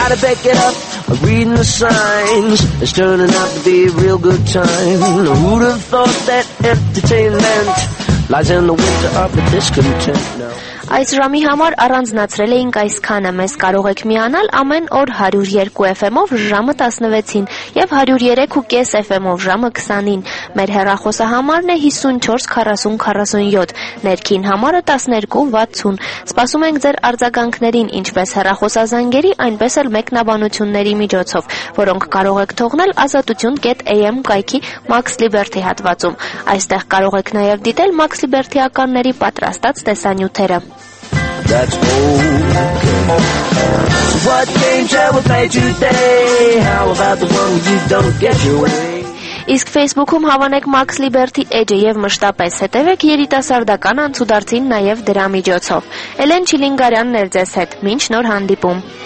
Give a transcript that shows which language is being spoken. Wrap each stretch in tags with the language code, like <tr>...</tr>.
<en>Pick it up, reading the signs. It's turning out to be a real good time. Who'd have thought that entertainment lies in the winter of the discontent? No.</en> <hy>Այս ժամի համար առանձնացրել էինք այսքանը, մեզ կարող եք միանալ ամեն օր 102 FM-ով ժամը 16-ին և 103.5 FM-ով ժամը 20-ին։ Մեր հեռախոսահամարն է 54-40-47, ներքին համարը 12-60։ Սպասում ենք ձեր արձագանքներին, ինչպես հեռախոսազանգերի, այնպես էլ մեկնաբանությունների միջոցով, որոնք կարող եք թողնել azatutyun.am կայքի Max Liberty հատվածում։ Այստեղ կարող եք նաև դիտել Max Liberty ականների պատրաստած տեսանյութերը։</hy> <en>That's okay. So what game shall we play today? How about the one where you don't get your way?</en> <hy>Իսկ Facebook-ում հավանեք Max Liberty Edge եւ մշտապես հետեւեք երիտասարդական անցուդարձին նաեւ դրա միջոցով։ Էլեն Չիլինգարյանն էր ձեզ հետ, մինչ նոր հանդիպում։</hy>